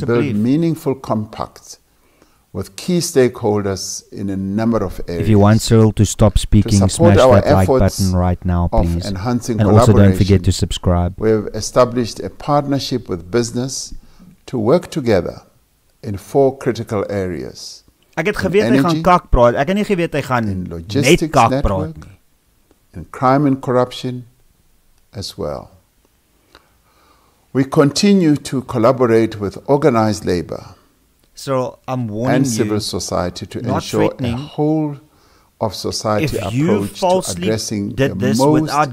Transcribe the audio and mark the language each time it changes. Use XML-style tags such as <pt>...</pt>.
<en>to build meaningful compacts with key stakeholders in a number of areas. If you want Cyril to stop speaking, to smash that like button right now, please. Enhancing and also don't forget to subscribe. We have established a partnership with business to work together in four critical areas.</en> <af>Ek het geweet hy gaan kak praat. Ek het nie geweet hy gaan net kak praat nie.</af> <en>In crime and corruption as well. We continue to collaborate with organized labor. So I'm warning and civil society to ensure a whole of society approach to addressing the most important challenges of our country.</en>